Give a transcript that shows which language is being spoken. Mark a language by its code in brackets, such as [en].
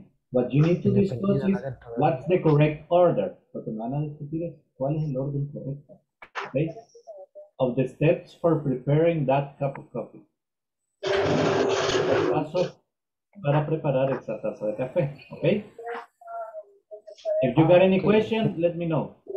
[en] What you need to discuss is what's the correct order. [es] Porque me van a discutir cuál es el orden correcto, okay? [en] Of the steps for preparing that cup of coffee. [es] Paso para preparar esa taza de café, [en] okay? If you got any questions, let me know.